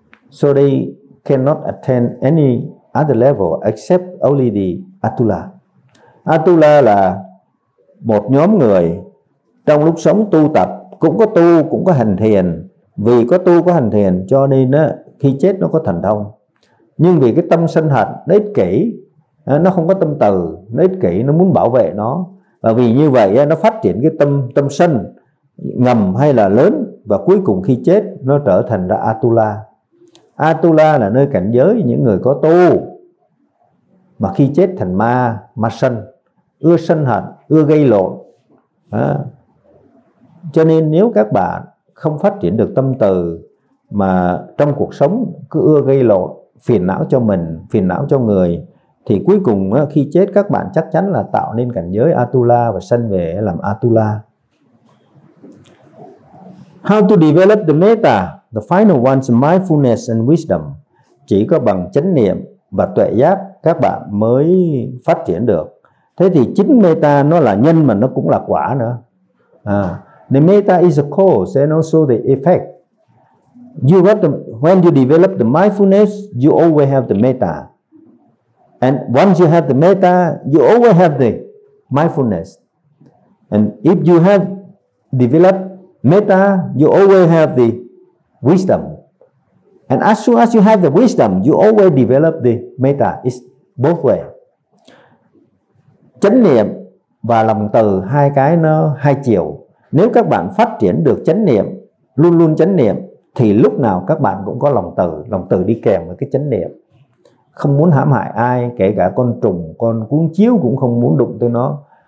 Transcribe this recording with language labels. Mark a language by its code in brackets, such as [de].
[en] So they cannot attain any other level except only the Atula. [vi] Atula là một nhóm người trong lúc sống tu tập, cũng có tu, cũng có hành thiền. Vì có tu, có hành thiền cho nên khi chết nó có thần thông. Nhưng vì cái tâm sân hận nó ích kỷ, nó không có tâm từ, nó ích kỷ, nó muốn bảo vệ nó. Và vì như vậy nó phát triển cái tâm sân ngầm hay là lớn, và cuối cùng khi chết nó trở thành ra Atula. Atula là nơi cảnh giới những người có tu mà khi chết thành ma, ma sân, ưa sân hận, ưa gây lộn. Cho nên nếu các bạn không phát triển được tâm từ mà trong cuộc sống cứ ưa gây lộn, phiền não cho mình, phiền não cho người, thì cuối cùng khi chết các bạn chắc chắn là tạo nên cảnh giới Atula và sanh về làm Atula. [en] How to develop the metta, the final one's mindfulness and wisdom. [vi] Chỉ có bằng chánh niệm và tuệ giác các bạn mới phát triển được. Thế thì chính metta nó là nhân mà nó cũng là quả nữa. [en] The metta is a cause and also the effect. You got the, when you develop the mindfulness, you always have the metta. And once you have the metta, you always have the mindfulness. And if you have developed metta, you always have the wisdom. And as soon as you have the wisdom, you always develop the metta. It's both way. [vi] Chánh niệm và lòng từ, hai cái nó hai chiều. Nếu các bạn phát triển được chánh niệm, luôn luôn chánh niệm, thì lúc nào các bạn cũng có lòng từ. Lòng từ đi kèm với cái chánh niệm. Không muốn hãm hại ai, kể cả con trùng, con cuốn chiếu cũng không muốn đụng tới nó.